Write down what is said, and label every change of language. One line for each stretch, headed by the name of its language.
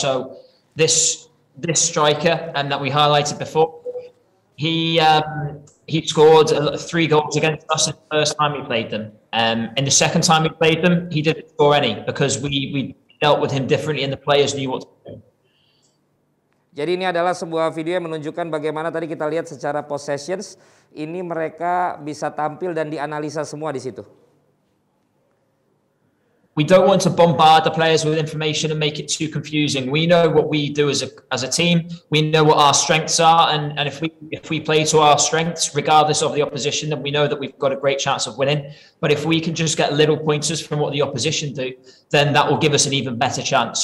English: So this striker that we highlighted before, he scored 3 goals against us in the first time we played them. In the second time we played them, he didn't score any because we dealt with him differently and the players knew what to do.
Indonesian: Jadi ini adalah sebuah video yang menunjukkan bagaimana tadi kita lihat secara possessions ini mereka bisa tampil dan dianalisa semua di situ.
English: We don't want to bombard the players with information and make it too confusing. We know what we do as a team. We know what our strengths are and if we play to our strengths regardless of the opposition then we know that we've got a great chance of winning. But if we can just get little pointers from what the opposition do then that will give us an even better chance.